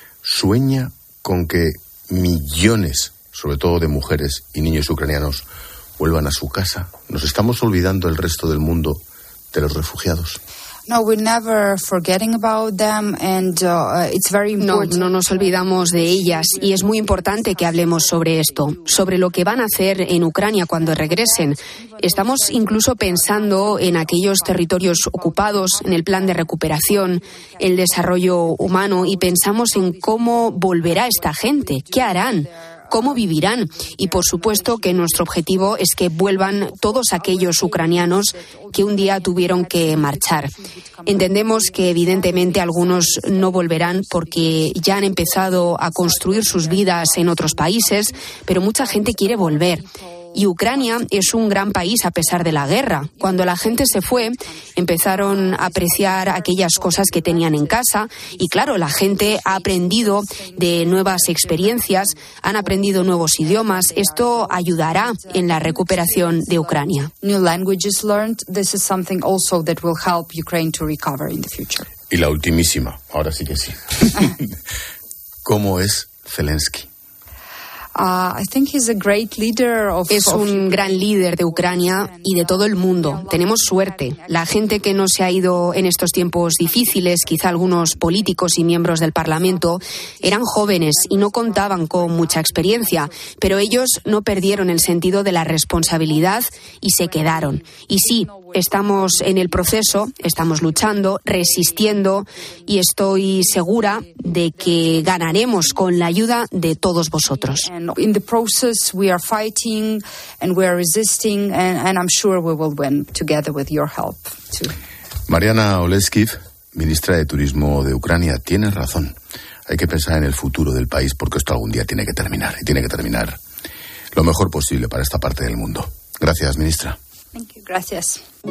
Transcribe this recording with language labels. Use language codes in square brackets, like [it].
[es] ¿Sueña con que millones, sobre todo de mujeres y niños ucranianos, vuelvan a su casa? ¿Nos estamos olvidando el resto del mundo de los refugiados? [en] No, we're never forgetting about them, and it's very important. [es] No nos olvidamos de ellas y es muy importante que hablemos sobre esto, sobre lo que van a hacer en Ucrania cuando regresen. Estamos incluso pensando en aquellos territorios ocupados, en el plan de recuperación, el desarrollo humano, y pensamos en cómo volverá esta gente, qué harán, cómo vivirán. Y por supuesto que nuestro objetivo es que vuelvan todos aquellos ucranianos que un día tuvieron que marchar. Entendemos que evidentemente algunos no volverán porque ya han empezado a construir sus vidas en otros países, pero mucha gente quiere volver. Y Ucrania es un gran país a pesar de la guerra. Cuando la gente se fue, empezaron a apreciar aquellas cosas que tenían en casa. Y claro, la gente ha aprendido de nuevas experiencias, han aprendido nuevos idiomas. Esto ayudará en la recuperación de Ucrania. [en] New languages learned. This is something also that will help Ukraine to recover in the future. [es] Y la ultimísima, ahora sí que sí. ¿Cómo es Zelensky? Es un gran líder de Ucrania y de todo el mundo. Tenemos suerte. La gente que no se ha ido en estos tiempos difíciles, quizá algunos políticos y miembros del Parlamento, eran jóvenes y no contaban con mucha experiencia, pero ellos no perdieron el sentido de la responsabilidad y se quedaron. Y sí, estamos en el proceso, estamos luchando, resistiendo, y estoy segura de que ganaremos con la ayuda de todos vosotros. [en] In the process we are fighting and we are resisting and I'm sure we will win together with your help too. [es] Mariana Oleskiv, ministra de Turismo de Ucrania, tiene razón. Hay que pensar en el futuro del país porque esto algún día tiene que terminar y tiene que terminar lo mejor posible para esta parte del mundo. Gracias, ministra. [en] Thank you. [es] Gracias.